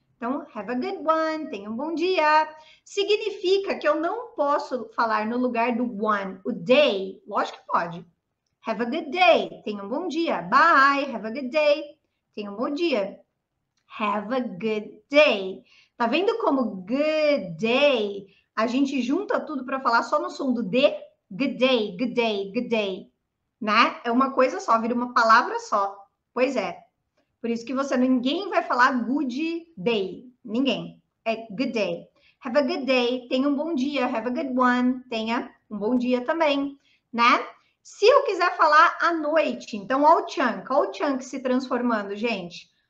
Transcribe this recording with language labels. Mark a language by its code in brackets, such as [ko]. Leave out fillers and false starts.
[pt] Então, [en] have a good one, [pt] tenha um bom dia. Significa que eu não posso falar no lugar do one, o day. Lógico que pode. [en] Have a good day, [pt] tenha um bom dia. [en] Bye, have a good day, tenha um bom dia. Have a good day. [pt] Tá vendo como good day, a gente junta tudo para falar só no som do D? [en] Good day, good day, good day. [pt] Né? É uma coisa só, vira uma palavra só. Pois é. Por isso que você, ninguém vai falar [en] good day. Ninguém. É good day. Have a good day. [pt] Tenha um bom dia. [en] Have a good one. [pt] Tenha um bom dia também, né? Se eu quiser falar à noite, então, olha o chunk se transformando, gente.